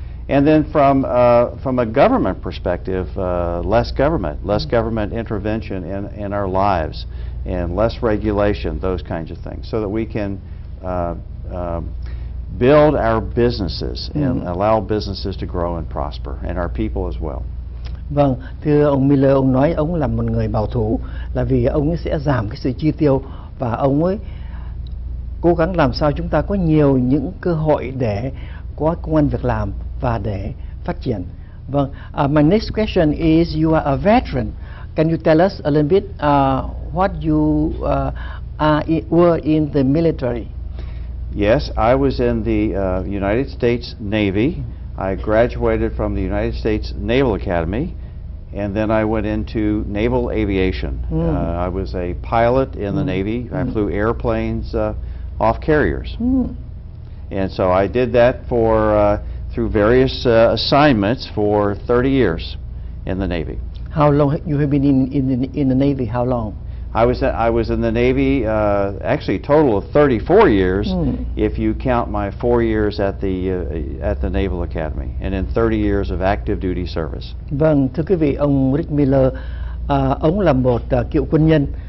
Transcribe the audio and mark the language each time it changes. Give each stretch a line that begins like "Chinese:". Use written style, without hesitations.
English: And then from a government perspective, less government intervention in our lives, and less regulation, those kinds of things, so that we can build our businesses and allow businesses to grow and prosper, and our people as well.
Vietnamese: Vâng, thưa ông Miller, ông nói ông là một người bảo thủ là vì ông sẽ giảm cái sự chi tiêu và ông ấy cố gắng làm sao chúng ta có nhiều những cơ hội để có công ăn việc làm và để phát triển. Vâng.
English: My next question is, you are a veteran. Can you tell us a little bit what you were in the military? Yes, I was in the United States Navy. I graduated from the United States Naval Academy, and then I went into naval aviation. I was a pilot in the Navy. I flew airplanes off carriers. And so I did that for through various assignments for 30 years in the Navy. How long have you been in the Navy? How long? I was in the Navy actually a total of 34 years if you count my 4 years at the Naval Academy, and in 30 years of active duty service.
Vietnamese: Vâng, thưa quý vị, ông Rick Miller, ông là một cựu quân nhân.